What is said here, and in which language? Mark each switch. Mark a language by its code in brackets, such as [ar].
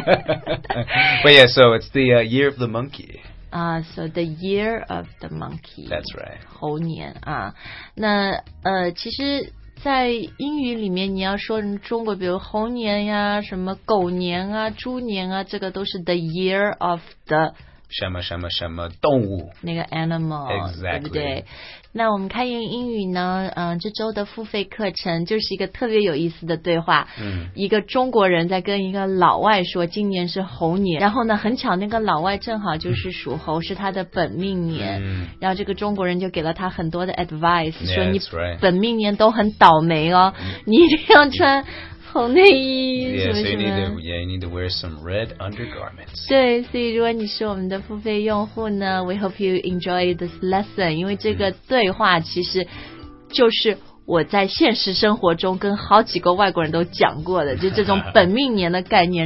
[en] But yeah, so it's the year of the monkey. So the year of the monkey. That's right. [zh] 猴年啊，那其实，在英语里面，你要说中国，比如猴年呀，什么狗年啊，猪年啊，这个都是 [en] the year of the [zh] 什么什么什么动物那个 animal， [en] exactly. [zh] 对不对？那我们开言英语呢，这周的付费课程就是一个特别有意思的对话。一个中国人在跟一个老外说今年是猴年，然后呢，很巧那个老外正好就是属猴，是他的本命年。然后这个中国人就给了他很多的 advice， [en] yeah, [zh] 说你本命年都很倒霉哦，你一定要穿。红内衣 [en] you need to wear some red undergarments. [zh] 对，所以如果你是我们的付费用户呢 ， [en] We hope you enjoy this lesson. [zh] 因为这个对话其实就是我在现实生活中跟好几个外国人都讲过的，就这种本命年的概念。